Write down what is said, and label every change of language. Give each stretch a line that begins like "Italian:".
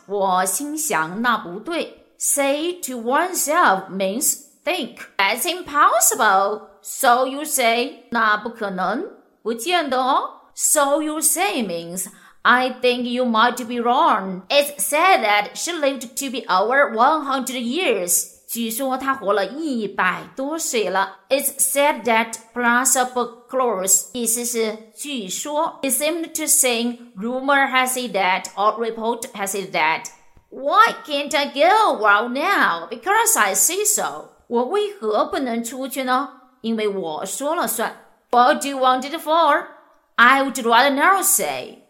Chinese: 我心想那不对。
English: Say to oneself means think. That's impossible. So you say,
Chinese: 那不可能，不见得哦。
English: So you say means,I think you might be wrong. It's said that she lived to be over 100 years.
Chinese: 据说她活了一百多岁了。
English: It's said that plus of course,
Chinese: 意思是据说。
English: It seemed to say rumor has it that or report has it that. Why can't I go out now? Because I say so.
Chinese: 我为何不能出去呢？因为我说了算。
English: What do you want it for? I would rather not say.